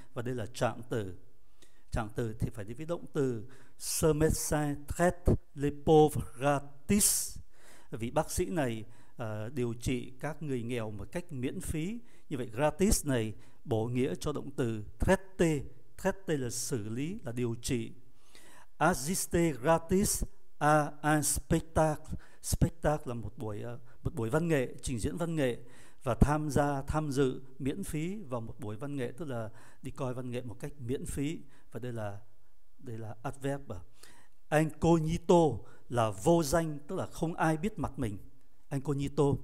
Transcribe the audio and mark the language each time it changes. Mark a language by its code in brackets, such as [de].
[vi] Và đây là trạng từ. Trạng từ thì phải đi với động từ. [fr] Ce médecin traite les pauvres gratis, [vi] vị bác sĩ này điều trị các người nghèo một cách miễn phí. Như vậy gratis này bổ nghĩa cho động từ traite. Traite là xử lý, là điều trị. [fr] Assister gratis à un spectacle. [vi] Spectacle là một buổi văn nghệ, trình diễn văn nghệ. Và tham dự miễn phí vào một buổi văn nghệ, tức là đi coi văn nghệ một cách miễn phí. Và đây là adverb. Incognito là vô danh, tức là không ai biết mặt mình. Incognito.